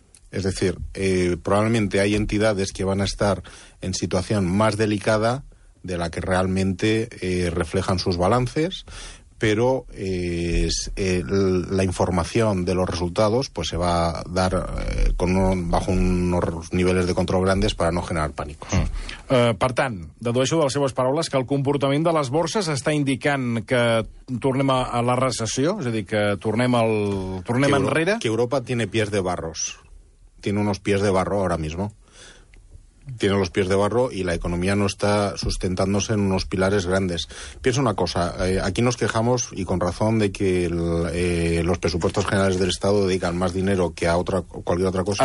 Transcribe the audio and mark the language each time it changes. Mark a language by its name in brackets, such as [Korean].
[Spanish] Es decir, probablemente hay entidades que van a estar en situación más delicada de la que realmente reflejan sus balances, pero la información de los resultados pues se va a dar bajo unos niveles de control grandes para no generar pánico. Mm. [Catalan] Per tant, dedueixo de les seves paraules que el comportament de les borses està indicant que tornem a la recessió, és a dir, que tornem enrere. [Spanish] Que Europa tiene pies de barros. Tiene unos pies de barro ahora mismo. Tiene los pies de barro y la economía no está sustentándose en unos pilares grandes. Piensa una cosa, aquí nos quejamos, y con razón, de que los presupuestos generales del Estado dedican más dinero que a cualquier otra cosa.